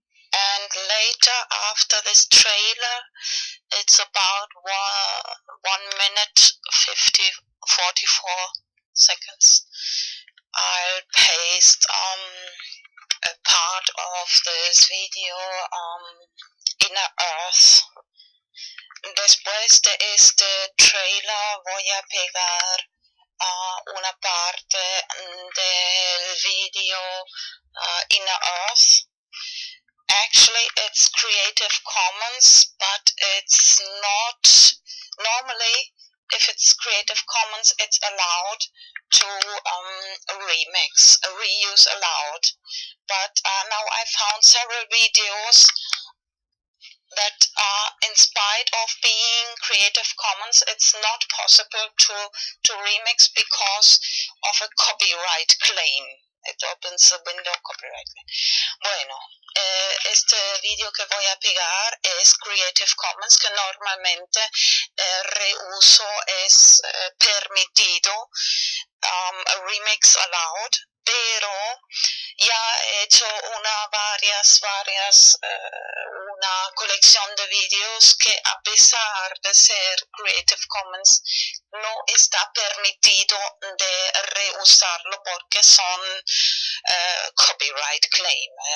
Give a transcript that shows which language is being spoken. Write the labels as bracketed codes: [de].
[en] And later, after this trailer, it's about 1 minute 44 seconds. I'll paste a part of this video on Inner Earth. [es] Después de este trailer voy a pegar una parte del video Inner Earth. [en] Actually, it's Creative Commons, but it's not normally. If it's Creative Commons, it's allowed to remix, reuse allowed. But now I found several videos that are, in spite of being Creative Commons, it's not possible to remix because of a copyright claim. It opens the window copyright claim. Bueno. [es] Este video que voy a pegar es Creative Commons, que normalmente el reuso es permitido, [en] a remix allowed, [es] pero ya he hecho una colección de videos que a pesar de ser Creative Commons no está permitido de reusarlo porque son copyright claim.